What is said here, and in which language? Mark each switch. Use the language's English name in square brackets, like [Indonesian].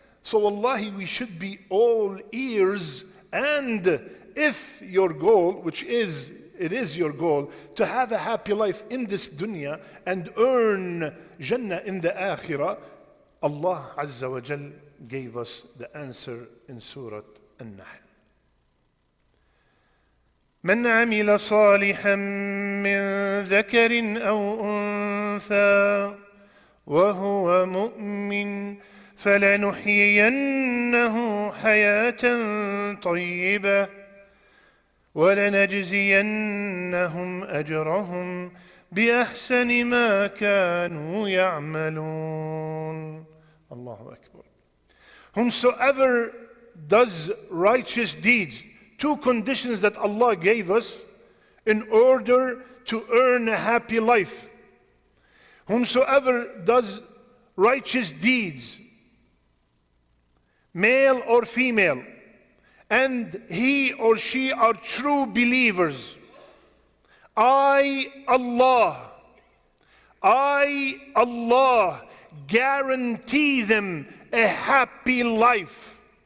[English] So wallahi, we should be all ears. And if your goal, which is, it is your goal, to have a happy life in this dunya and earn Jannah in the Akhirah, Allah Azza wa Jal gave us the answer in Surah An-Nahl. [Arabic] من عمل صالحا من ذكر أو أنثى وهو مؤمن فلنحيينه حياة طيبة ولنجزينهم أجرهم بأحسن ما كانوا يعملون. الله أكبر. [English] Whomsoever does righteous deeds, two conditions that Allah gave us in order to earn a happy life. Whomsoever does righteous deeds, male or female, and he or she are true believers, I, Allah, guarantee them a happy life.